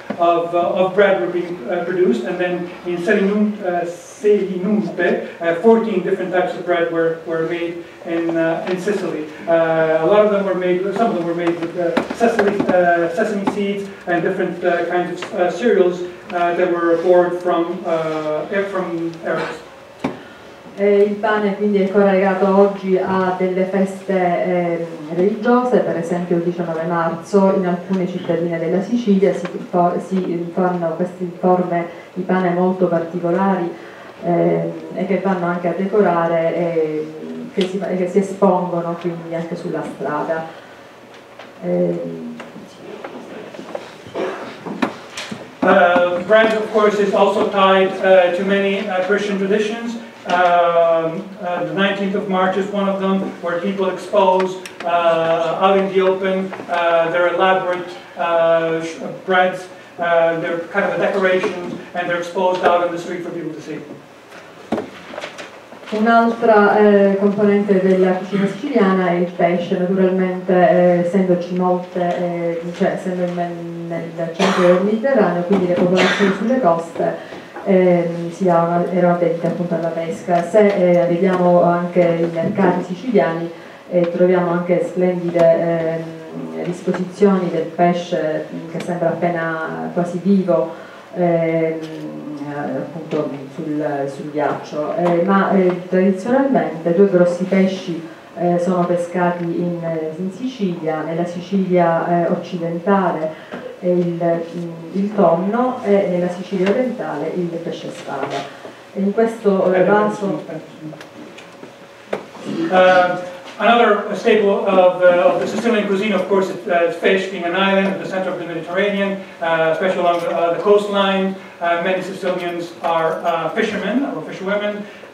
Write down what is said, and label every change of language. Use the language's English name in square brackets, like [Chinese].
[English] of bread were being produced, and then in Selinunte, 14 different types of bread were made in Sicily. A lot of them were made, some of them were made with sesame seeds and different kinds of cereals that were borrowed from Arabs. [Italian] E il pane quindi è collegato oggi a delle feste religiose, per esempio il 19 marzo in alcune cittadine della Sicilia si fanno queste forme di pane molto particolari e che vanno anche a decorare e che si espongono quindi anche sulla strada. [English] Bread of course is also tied to many Christian traditions. The 19th of March is one of them, where people expose out in the open their elaborate breads, their kind of a decoration, and they're exposed out in the street for people to see. [Italian] Un'altra componente della cucina siciliana è il pesce, naturalmente essendoci molte, cioè essendo nel centro del Mediterraneo, quindi le popolazioni sulle coste. Sia erano attenti appunto alla pesca. Se arriviamo anche ai mercati siciliani troviamo anche splendide disposizioni del pesce che sembra appena quasi vivo appunto sul ghiaccio, ma tradizionalmente due grossi pesci sono pescati in Sicilia, nella Sicilia occidentale il tonno e nella Sicilia orientale il pesce spada. In questo vaso. [English] Another staple of the Sicilian cuisine, of course, is fish, being an island at the center of the Mediterranean, especially along the coastline. Many Sicilians are fishermen or fisherwomen.